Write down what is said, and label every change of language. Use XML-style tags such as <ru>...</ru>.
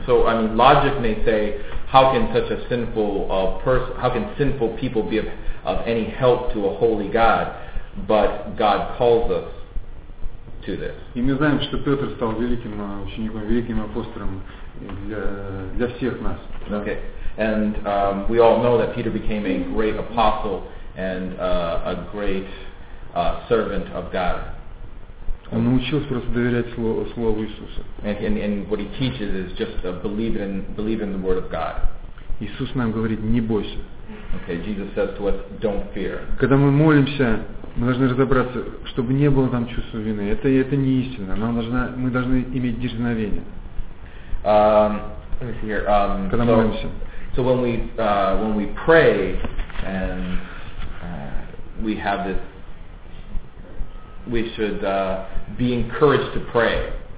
<en>So, I mean, logic may say, how can such a sinful person, how can sinful people be of any help to a holy God, but God calls us to this.</en> <ru>И мы знаем, что Петр стал великим учеником, великим апостолом для всех нас.</ru> <en>Okay. And we all know that Peter became a great apostle and a great servant of God.</en> <ru>Он учился просто доверять слову Иисуса.</ru> <en>And what he teaches is just believe in the word of God.</en> <ru>Иисус нам говорит, не бойся.</ru> <en>Okay, Jesus says to us, don't fear.</en> <ru>Когда мы молимся, мы должны разобраться, чтобы не было там чувства вины. Это не истина. Мы должны иметь дерзновение.</ru> <en>Let me see here.</en> <ru>Когда молимся.</ru> <en>So when we pray and we have this, we should be encouraged to pray.</en>